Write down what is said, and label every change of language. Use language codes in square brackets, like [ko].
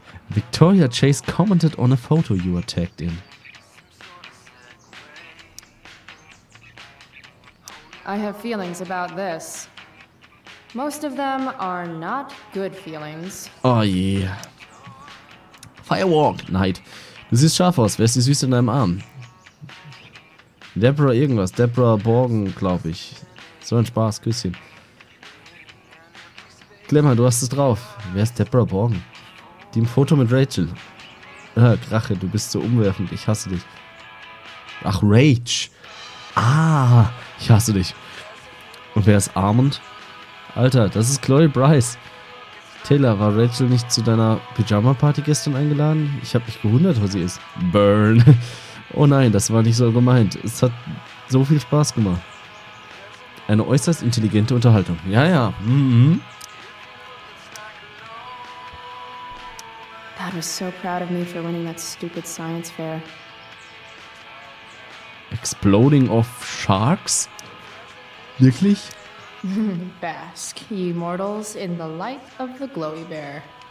[en] Victoria Chase commented on a photo you were tagged in. I have feelings about this. Most of them are not good feelings. Oh yeah. [de] Firewalk, Knight. Du siehst scharf aus. Wer ist die Süße in deinem Arm? Deborah irgendwas. Deborah Borgen, glaube ich. So ein Spaß. Küsschen. Glamour, du hast es drauf. Wer ist Deborah Borgen? Die im Foto mit Rachel. Krache, du bist so umwerfend. Ich hasse dich. Ach, Rach. Ah, ich hasse dich. Und wer ist Armand? Alter, das ist Chloe Bryce. Taylor, war Rachel nicht zu deiner Pyjama-Party gestern eingeladen? Ich habe mich gewundert, wo sie ist. Burn. Oh nein, das war nicht so gemeint. Es hat so viel Spaß gemacht. Eine äußerst intelligente Unterhaltung. Ja, ja. Mm-hmm. [en] God was so proud of me for winning that stupid science fair. Exploding of sharks? [de] Wirklich? [en] Bask, ye mortals, in the light of the glowy bear.